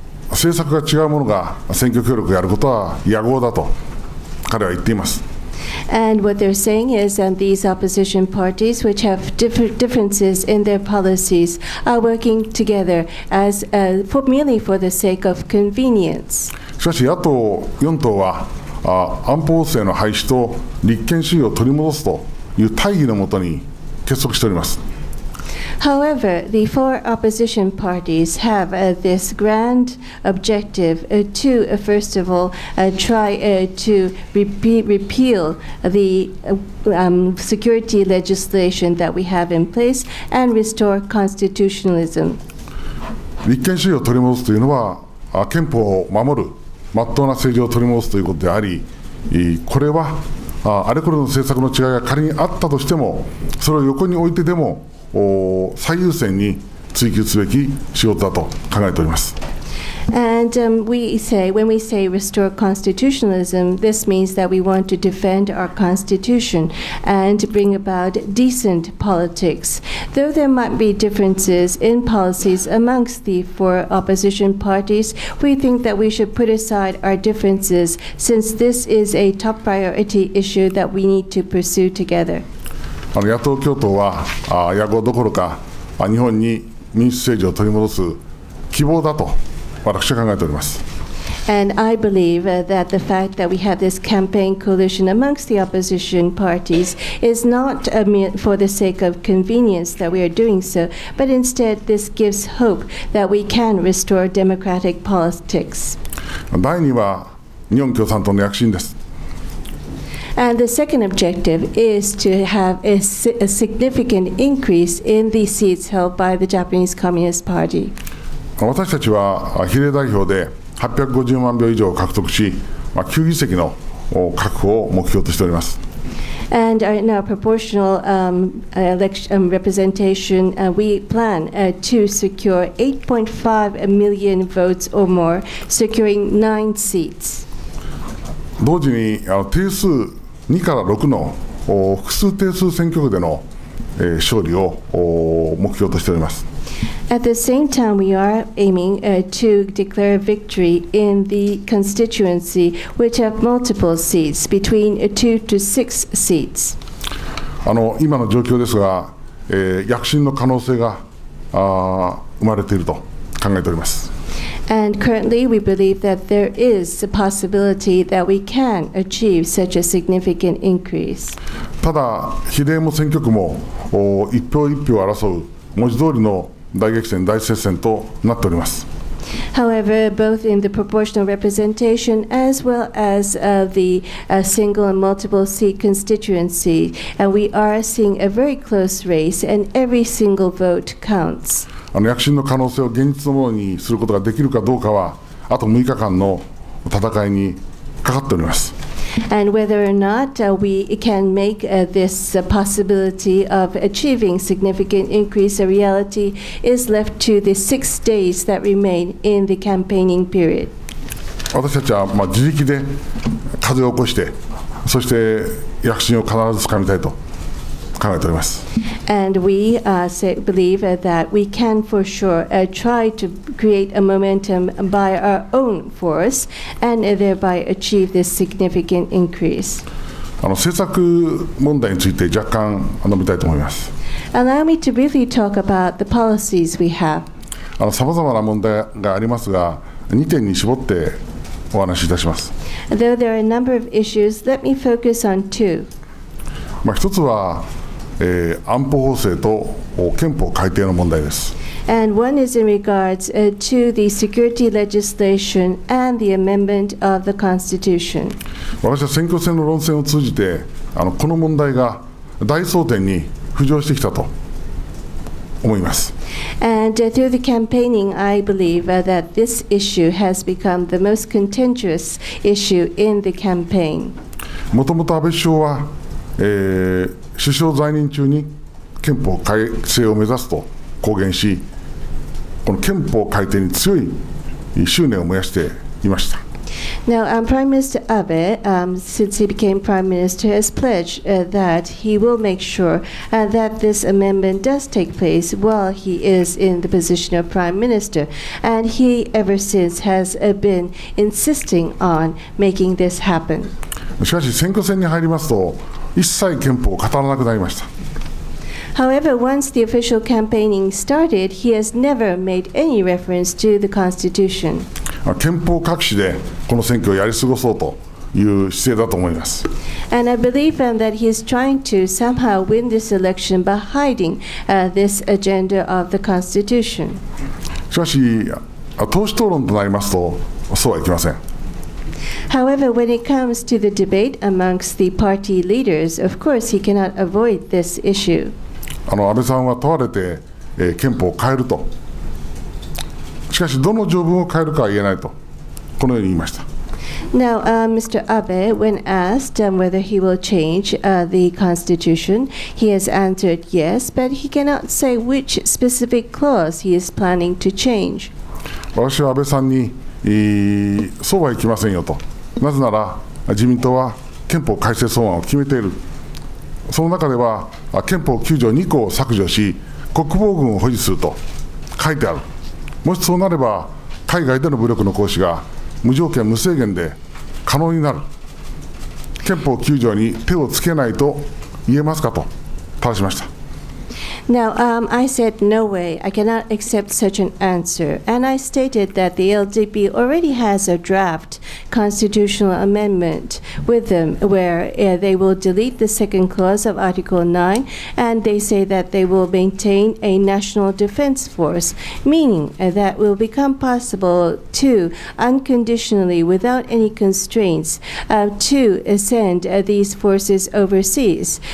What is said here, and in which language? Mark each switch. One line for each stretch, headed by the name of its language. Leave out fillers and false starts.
Japanese: 政策が違うものが選挙協力をやることは野望だと彼は言っています。
English: And what they're saying is that these opposition parties, which have differences in their policies, are working together as merely for the sake of convenience.
Japanese: しかし野党4党は安保法制の廃止と立憲主義を取り戻すという大義のもとに結束しております。
English: However, the four opposition parties have this grand objective to, first of all, try to repeal the security legislation that we have in place and restore constitutionalism.
Japanese: 立憲主義を取り戻すというのは、憲法を守る、真っ当な政治を取り戻すということであり、これは、あれこれの政策の違いが仮にあったとしても、それを横に置いてでも、最優先に追求すべき仕事だと考えております。
English: And we say, when we say restore constitutionalism, this means that we want to defend our constitution and bring about decent politics. Though there might be differences in policies amongst the four opposition parties, we think that we should put aside our differences since this is a top priority issue that we need to pursue together.
Japanese: あの野党共闘は野望どころか日本に民主政治を取り戻す希望だと私は考えております。
English: And I believe that the fact that we have this campaign coalition amongst the opposition parties is not for the sake of convenience that we are doing so, but instead this gives hope that we can restore democratic politics.
Japanese: 第二は日本共産党の躍進です。
English: And the second objective is to have a significant increase in the seats held by the Japanese Communist Party.
Japanese: 私たちは比例代表で850万票以上を獲得し、まあ、9議席の確保を目標としております。
English: And in our proportional election representation, we plan to secure 8.5 million votes or more, securing 9 seats.
Japanese: 同時に定数2から6の複数定数選挙区での勝利を目標としております。
English: At the same time, we are aiming to declare victory in the constituency which have multiple seats between 2 to 6 seats.
Japanese: 今の状況ですが、躍進の可能性が生まれていると考えております。
English: And currently, we believe that there is a possibility that we can achieve such a significant increase.
Japanese: ただ、比例も選挙区も一票一票争う文字通りの大激戦、大接戦となっております。
English: However, both in the proportional representation as well as the single and multiple seat constituency, and we are seeing a very close race, and every single vote counts.
Japanese: 躍進の可能性を現実のものにすることができるかどうかは、あと6日間の戦いにかかっております。
English: and whether or not we can make this possibility of achieving significant increase a reality is left to the 6 days that remain in the campaigning period.
Japanese: 私たちはまあ自力で風を起こして、そして躍進を必ず掴みたいと考えております。
English: And we say, believe that we can for sure try to create a momentum by our own force and thereby achieve this significant increase.
Japanese: 政策問題について若干述べたいと思います。
English: Allow me to briefly talk about the policies we have.
Japanese: さまざまな問題がありますが、2点に絞ってお話しいたします。
English: Though there are a number of issues, let me focus on two.
Japanese: 一つは、安保法制と憲法改定の問題です。
English: And one is in regards to the security legislation and the amendment of the Constitution.
Japanese: 私は選挙戦の論戦を通じて、この問題が大争点に浮上してきたと思います。
English: And through the campaigning, I believe that this issue has become the most contentious issue in the campaign.
Japanese: もともと安倍首相は、首相在任中に憲法改正を目指すと公言し、この憲法改定に強い執念を燃やしていました。
English: Now, Prime Minister Abe, since he became Prime Minister, has pledged that he will make sure that this amendment does take place while he is in the position of Prime Minister. And he, ever since, has been insisting on making this happen.
Japanese: しかし、選挙戦に入りますと、一切憲法を語らなくなりました。
English: However, once the official campaigning started, he has never made any reference to the Constitution.
Japanese: 憲法各紙でこの選挙をやり過ごそうという姿勢だと思います。
English: And I believe that he is trying to somehow win this election by hiding this agenda of the Constitution.
Japanese: しかし、党首討論となりますと、そうはいきません。
English: However, when it comes to the debate amongst the party leaders, of course he cannot avoid this issue.
Japanese: 安倍さんは問われて、憲法を変えると、しかしどの条文を変えるかは言えないと、このように言いました。
English: Now, Mr. Abe, when asked whether he will change the Constitution, he has answered yes, but he cannot say which specific clause he is planning to change.
Japanese: 私は安倍さんに、そうはいきませんよと、なぜなら自民党は憲法改正草案を決めている。その中では憲法9条2項を削除し国防軍を保持すると書いてある。もしそうなれば海外での武力の行使が無条件無制限で可能になる。憲法9条に手をつけないと言えますかと尋しました。
English: Now, I said no way, I cannot accept such an answer. And I stated that the LDP already has a draft constitutional amendment with them where they will delete the second clause of Article 9 and they say that they will maintain a national defense force, meaning that will become possible to unconditionally, without any constraints, to send these forces overseas.